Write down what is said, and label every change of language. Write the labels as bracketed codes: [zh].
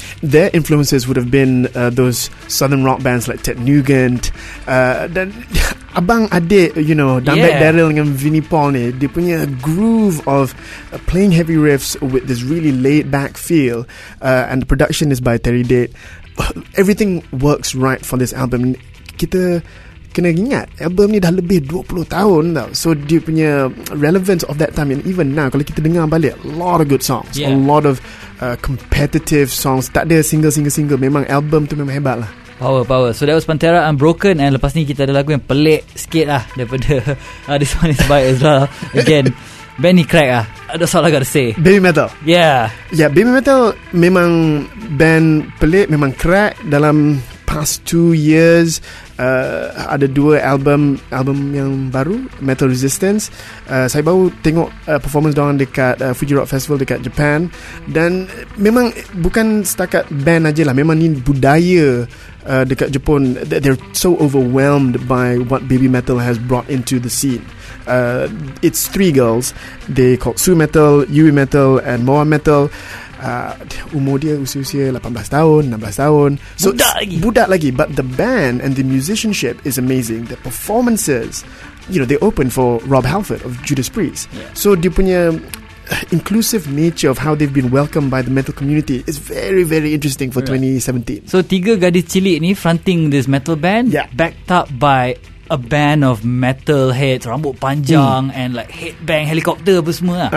[en] Their influences would have been those Southern Rock bands like Ted Nugent, [ms] dan abang adik, [en] you know, Dambek Daryl dengan Vinnie Paul [ms] ni, dia punya [en] groove of playing heavy riffs with this really laid back feel, and the production is by Terry Date. Everything works right for this album. [ms] Kita kena ingat album ni dah lebih 20 tahun tau. So dia punya [en] relevance of that time, and even now [ms] kalau kita dengar balik, [en] a lot of good songs, a lot of competitive songs. [ms] Tak ada single. Memang album tu memang hebat lah. [en] Power. So that was Pantera and Broken. And [ms] lepas ni kita ada lagu yang pelik sikit lah daripada [en] this one is by Ezra again. Benny Craig lah, that's all I gotta say. Baby Metal. Yeah, [ms] Baby Metal memang band pelik, memang crack dalam [en] past 2 years. [ms] Ada dua album yang baru, Metal Resistance. Saya baru tengok performance diorang dekat Fuji Rock Festival dekat Japan. Dan memang bukan setakat band aja lah, memang ni budaya dekat Jepun. [en] They're so overwhelmed by what Baby Metal has brought into the scene. It's three girls. They called Sue Metal, Yui Metal and Moa Metal. [ms] Umur dia usia 18 tahun, 16 tahun, so budak lagi. [en] But the band and the musicianship is amazing. The performances, you know, they open for Rob Halford of Judas Priest. [ms] So dia punya [en] inclusive nature of how they've been welcomed by the metal community is very very interesting for 2017. So tiga gadis cilik ni fronting this metal band, backed up by a band of metal heads, rambut panjang and like headbang helicopter apa semua.